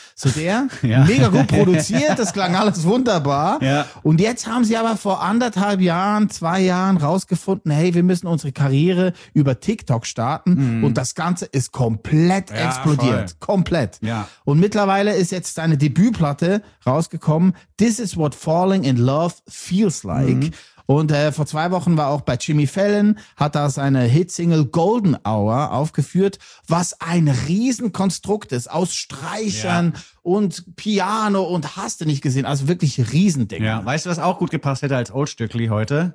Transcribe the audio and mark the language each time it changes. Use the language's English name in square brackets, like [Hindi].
[German] So der, mega gut produziert, das klang alles wunderbar. Ja. Und jetzt haben sie aber vor anderthalb Jahren, zwei Jahren rausgefunden, hey, wir müssen unsere Karriere über TikTok starten. Mhm. Und das Ganze ist komplett explodiert. Voll. Komplett. Ja. Und mittlerweile ist jetzt seine Debütplatte rausgekommen. [English] This is what falling in love feels like. Mhm. [German] Und vor zwei Wochen war auch bei Jimmy Fallon, hat da seine Hitsingle Golden Hour aufgeführt, was ein Riesenkonstrukt ist aus Streichern und Piano und hast du nicht gesehen. Also wirklich Riesending. Ja, weißt du, was auch gut gepasst hätte als Oldstückli heute?